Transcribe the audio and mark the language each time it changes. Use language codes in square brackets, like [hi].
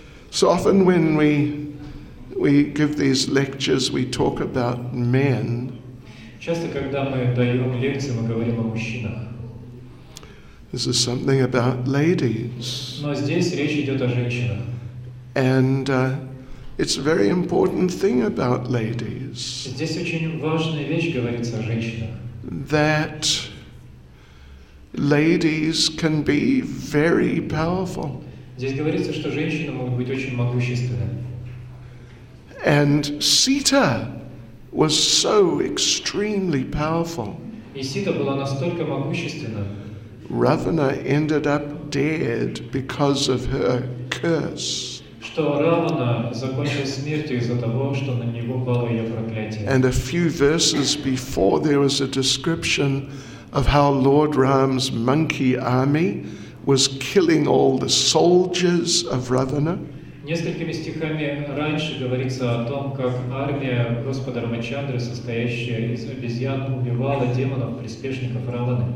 [en] So often when we give these lectures, we talk about men. [ru] Часто, когда мы даем лекции, мы говорим о мужчинах. [en] This is something about ladies. [ru] Но здесь речь идет о женщинах. [en] And it's a very important thing about ladies. [ru] Здесь очень важная вещь говорится о женщинах. [en] That ladies can be very powerful. [ru] Здесь говорится, что женщины могут быть очень могущественными. [en] And Sita was so extremely powerful. [ru] И Сита была настолько могущественна. [en] Равана ended up dead because of her curse. [ru] Что Равана закончил смертью из-за того, что на него пало ее проклятие. [en] And a few verses before there was a description of how Lord Ram's monkey army was killing all the soldiers of Равана. [ru] Несколькими стихами раньше говорится о том, как армия Господа Рамачандры, состоящая из обезьян, убивала демонов, приспешников Раваны.